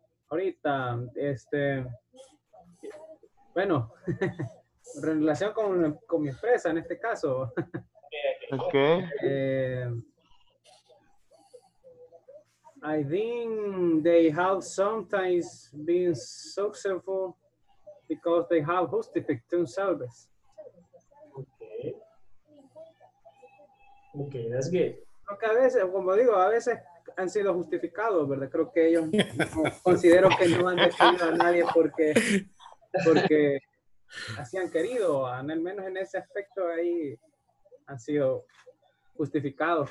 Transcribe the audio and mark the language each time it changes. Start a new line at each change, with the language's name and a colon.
Spanish: Ahorita, bueno, en relación con mi empresa en este caso.
English: Okay. I think they have sometimes been successful because they have justified to service. Okay, that's good.
Spanish: Creo que a veces, como digo, a veces han sido justificados, ¿verdad? Creo que ellos considero que no han despedido a nadie porque así han querido, al menos en ese aspecto ahí han sido justificados.